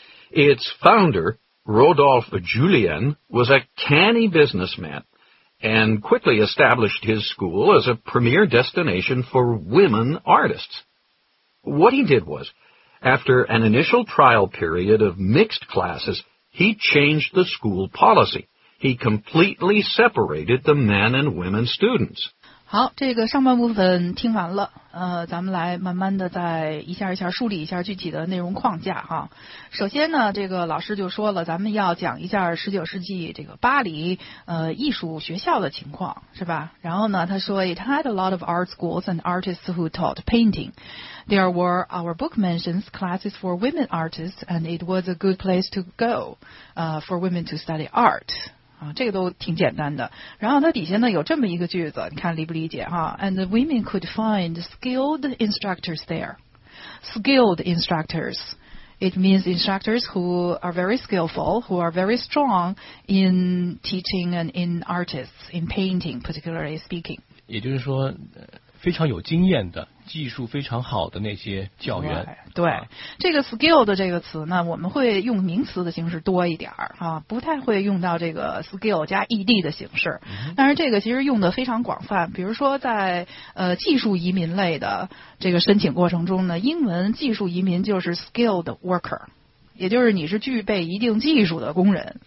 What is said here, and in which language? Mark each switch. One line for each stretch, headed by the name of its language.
English: Its founder, Rodolphe Julien, was a canny businessman and quickly established his school as a premier destination for women artists. What he did was, after an initial trial period of mixed classes, he changed the school policy. He completely separated the men and women students.
Chinese: 好，这个上半部分听完了，咱们来慢慢的再一下一下梳理一下具体的内容框架哈。首先呢，这个老师就说了，咱们要讲一下十九世纪这个巴黎艺术学校的情况，是吧？然后呢，他说
English: ，It had a lot of art schools and artists who taught painting. There were our book mentions classes for women artists, and it was a good place to go, for women to study art.
Chinese: 啊，这个都挺简单的。然后它底下呢有这么一个句子，你看理不理解哈 ？
English: And the women could find skilled instructors there. Skilled instructors, it means instructors who are very skillful, who are very strong in teaching and in artists, in painting, particularly speaking.
Chinese: 也就是说，非常有经验的、技术非常好的那些教员。对，这个 skilled 这个词呢，我们会用名词的形式多一点儿啊，不太会用到这个 skill 加 ed 的形式。但是这个其实用的非常广泛，比如说在技术移民类的这个申请过程中呢，英文技术移民就是 skilled worker， 也就是你是具备一定技术的工人。